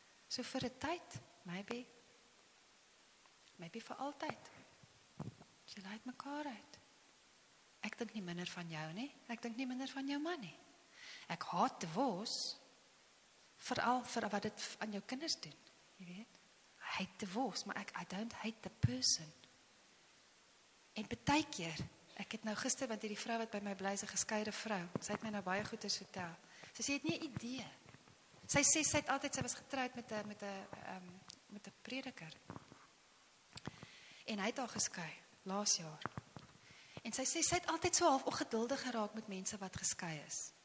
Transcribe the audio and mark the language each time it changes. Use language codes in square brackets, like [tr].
[af] So vir 'n tyd, maybe vir altyd. Jy laat mekaar uit. Ek dink nie minder van jou nie. Ek dink nie minder van jou man nie. Ek haat divorce, veral vir wat dit aan jou kinders doen. Jy weet, [en] I hate divorce, maar I don't hate the person. [af] En baie keer, ek het nou gister, want hierdie vrou wat by my bly, is 'n geskeide vrou. Sy het my nou baie goeders vertel. So sy het nie 'n idee. Sy sê sy het altyd, sy was getroud met 'n prediker. En hy het haar geskei, laas jaar. En sy sê sy het altyd so half ongeduldig geraak met mense wat geskei is.